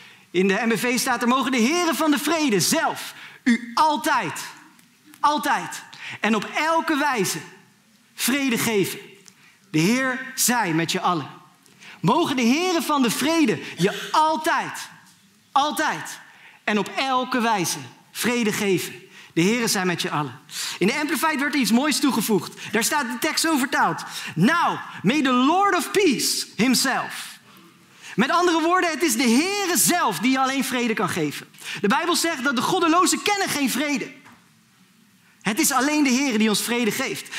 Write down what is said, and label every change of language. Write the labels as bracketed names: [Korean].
[Dutch] In de MBV staat er, mogen de heren van de vrede zelf u altijd, altijd en op elke wijze vrede geven. De Heer zij met je allen. Mogen de heren van de vrede je altijd, altijd en op elke wijze vrede geven. De heren zij met je allen. In de Amplified werd er iets moois toegevoegd. Daar staat de tekst zo vertaald. [English] Now, may the Lord of Peace himself. [Dutch] Met andere woorden, het is de Heere zelf die je alleen vrede kan geven. De Bijbel zegt dat de goddelozen kennen geen vrede. Het is alleen de Heere die ons vrede geeft.